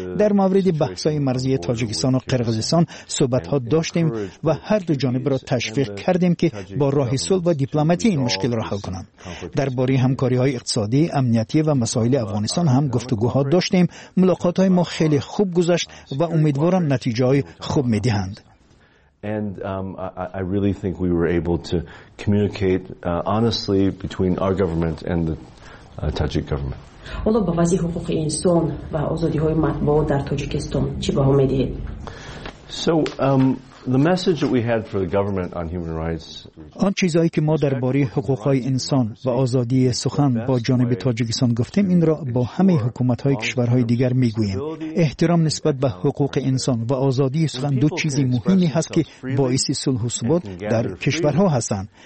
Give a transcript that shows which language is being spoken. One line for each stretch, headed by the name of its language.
Persian: در مورد بحث‌های مرزی تاجیکستان و قرغیزستان صحبت ها داشتیم و هر دو جانب را تشویق کردیم که با راه صلح و دیپلماتی این مشکل را حل کنند. درباره همکاری های اقتصادی، امنیتی و مسائل افغانستان هم گفتگوها داشتیم. ملاقات های ما خیلی خوب گذشت و امیدوارم نتیجه های خوب می دهند.
English: And I really think we were able to communicate honestly between our government and the Tajik government.
Persian: حالا به وضع حقوق انسان و آزادی های مطبوعات در تاجیکستان چه پیام می دهید؟
English: The message that we had for the government on human rights.
Persian: آن چیزایی که ما درباره حقوق های انسان و آزادی سخن با جانب تاجیکستان گفتیم، این را با همه حکومت های کشورهای دیگر میگوییم. احترام نسبت به حقوق انسان و آزادی سخن دو چیزی مهمی هست که باعث صلح و ثبات در کشورها هستند.